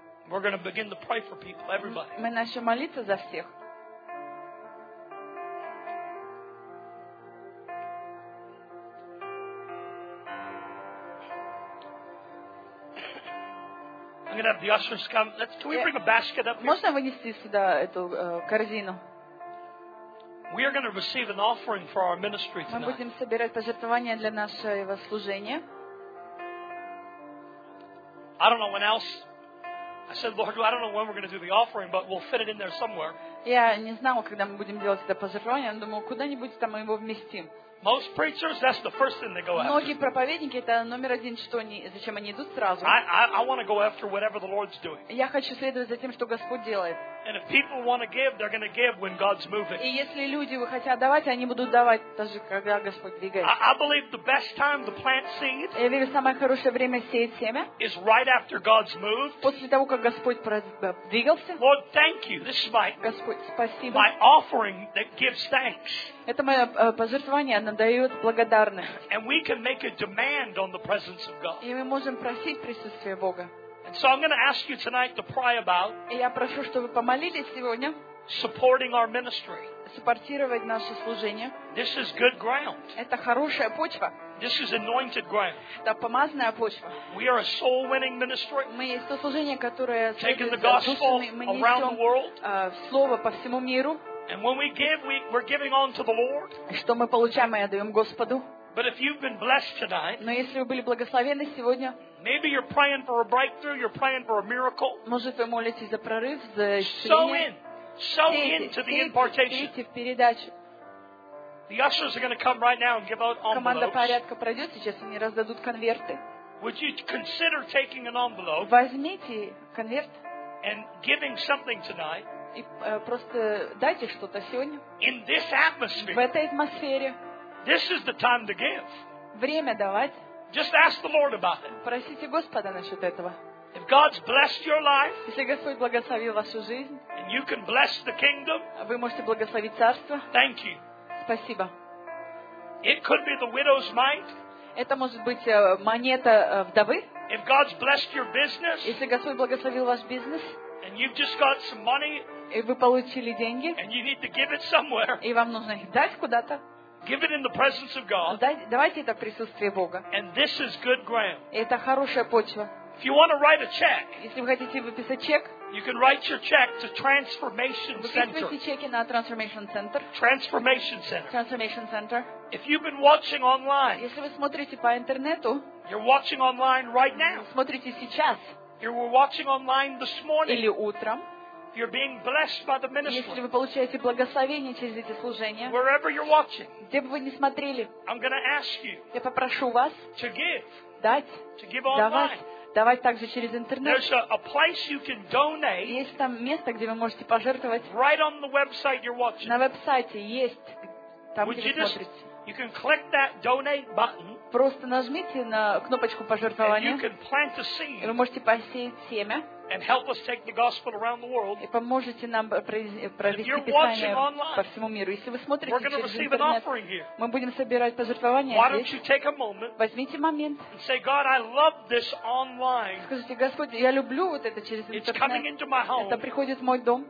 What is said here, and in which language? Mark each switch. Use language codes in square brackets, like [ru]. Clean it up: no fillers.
[en] We're going to begin to pray for people, everybody. [ru] Мы начнем молиться за всех. [en] I'm going to have the ushers come. Can we bring a basket up here? [ru] Можно вынести сюда эту корзину? [en] We are going to receive an offering for our ministry tonight. [ru] Мы будем собирать пожертвования для нашего служения. [en] I don't know when else. I said, Lord, well, I don't know when we're going to do the offering, but we'll fit it in there somewhere. [ru] Я не знала, когда мы будем делать это пожертвование, но думаю, куда-нибудь там мы его вместим. [en] Most preachers, that's the first thing they go after. [ru] Многие проповедники это номер один, что они, зачем они идут сразу. [en] I want to go after whatever the Lord's doing. [ru] Я хочу следовать за тем, что Господь делает. [en] And if people want to give, they're going to give when God's moving. [ru] И если люди хотят давать, они будут давать даже когда Господь двигается. [en] I believe the best time to plant seed. [ru] Я верю, самое хорошее время сеять семя. [en] Is right after God's moved. [ru] После того, как Господь двигался. [en] Lord, thank you. This is my. [ru] Господь, спасибо. [en] My offering that gives thanks. [ru] Это мое пожертвование, оно дает благодарность. И мы можем просить присутствие Бога. И я прошу, чтобы вы помолились сегодня. [en] Supporting our ministry. [ru] Суппортировать наше служение. [en] This is good ground. [ru] Это хорошая почва. [en] This is anointed ground. [ru] Это помазанная почва. [en] We are a soul-winning ministry. [ru] Мы есть то служение, которое [en] taking the gospel around the world. [ru] Слово по всему миру. [en] And when we give, we're giving on to the Lord. [ru] Что мы получаем, мы отдаем Господу. [en] But if you've been blessed tonight, [ru] но если вы были благословены сегодня, [en] maybe you're praying for a breakthrough, you're praying for a miracle. [ru] Может, вы молитесь за прорыв, за исцеление. [en] Sow into the impartation. [ru] Сейте в передачу. [en] The ushers are going to come right now and give out envelopes. [ru] Команда порядка пройдет сейчас, они раздадут конверты. [en] Would you consider taking an envelope? [ru] Возьмите конверт. [en] And giving something tonight. [ru] И просто дайте что-то сегодня. [en] In this atmosphere, [ru] в этой атмосфере. [en] This is the time to give. [ru] Время давать. [en] Just ask the Lord about it. [ru] Просите Господа насчет этого. [en] If God's blessed your life, [ru] если Господь благословил вашу жизнь, [en] and you can bless the kingdom, [ru] вы можете благословить царство. [en] Thank you. [ru] Спасибо. [en] It could be the widow's mite. [ru] Это может быть монета вдовы. [en] If God's blessed your business, [ru] если Господь благословил ваш бизнес, [en] and you've just got some money, [ru] и вы получили деньги, [en] and you need to give it somewhere, [ru] и вам нужно их дать куда-то, [en] give it in the presence of God, [ru] давайте это в присутствии Бога, [en] and this is good ground. [ru] Это хорошая почва. [en] If you want to write a check, [ru] если вы хотите выписать чек, [en] you can write your check to Transformation Center. [ru] Выписывайте чеки на Transformation Center. [en] Transformation Center. [ru] Transformation Center. [en] If you've been watching online, [ru] если вы смотрите по интернету, [en] you're watching online right now. [ru] Смотрите сейчас. [en] You were watching online this morning. [ru] Или утром. [en] You're being blessed by the ministry. [ru] Если вы получаете благословение через эти служения. [en] Wherever you're watching. [ru] Где бы вы ни смотрели. [en] I'm going to ask you. [ru] Я попрошу вас. [en] To give. [ru] Дать. [en] To give online. [ru] Давать также через интернет. [en] There's a place you can donate. [ru] Есть там место, где вы можете пожертвовать. [en] Right on the website you're watching. [ru] На веб-сайте есть. Там, [en] would [ru] где [en] you [ru] вы смотрите. [en] Just, you can click that donate button. [ru] Просто нажмите на кнопочку пожертвования. [en] And you can plant a seed. [ru] И вы можете посеять семя. [en] And help us take the gospel around the world. [ru] И поможете нам провести Писание по всему миру. Если вы смотрите через интернет, [en] we're going to receive an offering here. [ru] Мы будем собирать пожертвования. [en] Why don't you take a moment? [ru] Возьмите момент. [en] And say, God, I love this online. [ru] Скажите, Господь, я люблю вот это через интернет. [en] It's coming into my home. [ru] Это приходит в мой дом.